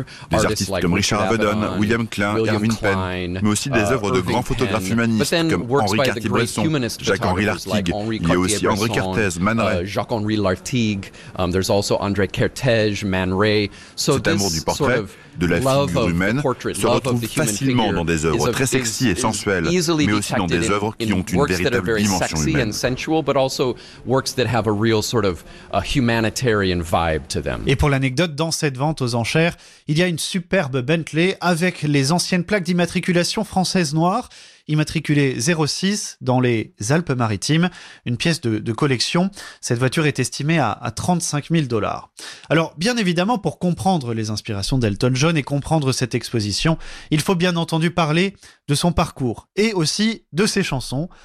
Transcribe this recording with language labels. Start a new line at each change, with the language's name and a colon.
French: Des artistes comme Richard Avedon, William Klein, Erwin Penn, mais aussi des œuvres de grands photographes humanistes comme Henri Cartier-Bresson, Jacques-Henri Lartigue. Il y a aussi Henri Cartes, Man Ray. Jacques-Henri Lartigue.
English: There's also André Kertész, Man Ray.
French: So cet amour du portrait,
English: sort of
French: de la figure humaine, portrait, se retrouve facilement dans des œuvres très sexy et sensuelles, mais aussi dans des œuvres qui ont une véritable dimension humaine.
English: Sensual, but also works that have a real sort of a humanitarian vibe to them.
French: Et pour l'anecdote, dans cette vente aux enchères, il y a une superbe Bentley avec les anciennes plaques d'immatriculation françaises noires. immatriculée 06 dans les Alpes-Maritimes, une pièce de collection. Cette voiture est estimée à 35 000 dollars. Alors, bien évidemment, pour comprendre les inspirations d'Elton John et comprendre cette exposition, il faut bien entendu parler de son parcours et aussi de ses chansons.